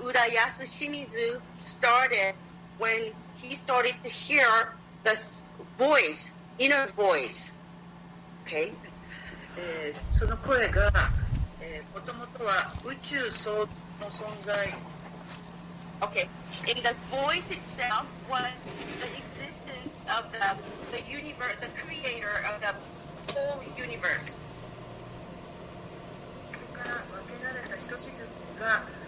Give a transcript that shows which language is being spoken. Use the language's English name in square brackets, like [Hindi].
[English] Urayasu Shimizu started when he started to hear the voice. Inner voice. Okay. [Japanese] その声が、もともとは宇宙層の存在。 [English] Okay. And the voice itself was the existence of the universe, the creator of the whole universe. [Japanese] それから分けられた一滴が